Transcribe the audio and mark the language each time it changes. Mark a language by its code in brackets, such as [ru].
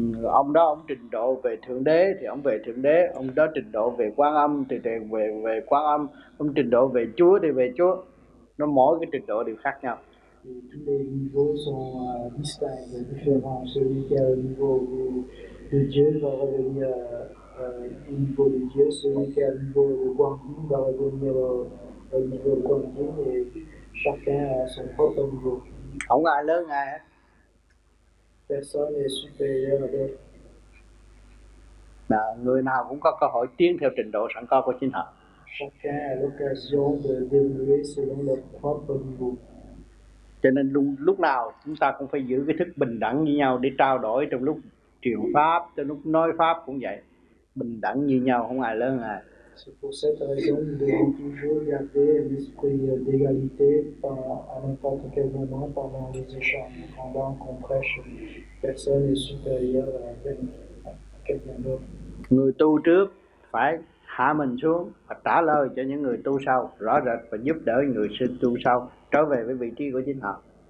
[vi] Ông đó ông trình độ về Thượng Đế thì ông về Thượng Đế, ông đó trình độ về Quan Âm thì về về Quan Âm, ông trình độ về Chúa thì về Chúa. Nó mỗi cái trình độ đều khác nhau. [fr] Tous les niveaux sont distincts, différents. Celui qui a le niveau de Dieu va revenir au niveau de Dieu. Celui qui a le niveau de Guangdong va revenir au niveau de Guangdong. Et chacun a son propre niveau. [vi] Không ai lớn ai. [fr] Personne n'est supérieur à d'autres. [vi] Người nào cũng có cơ hội tiến theo trình độ sẵn có của chính họ. [fr] Chacun a l'occasion de développer selon leur propre niveau. [vi] Cho nên lúc nào chúng ta cũng phải giữ cái thức bình đẳng như nhau để trao đổi, trong lúc truyền pháp, trong lúc nói pháp cũng vậy, bình đẳng như nhau, không ai lớn ai. [fr] C'est pour cette raison que nous devons toujours garder l'esprit d'égalité à n'importe quel moment pendant les échanges, pendant qu'on prêche, personne n'est supérieur à quelqu'un d'autre. [vi] Người tu trước phải hạ mình xuống và trả lời cho những người tu sau rõ rệt và giúp đỡ người sinh tu sau trở về với vị trí của chính họ.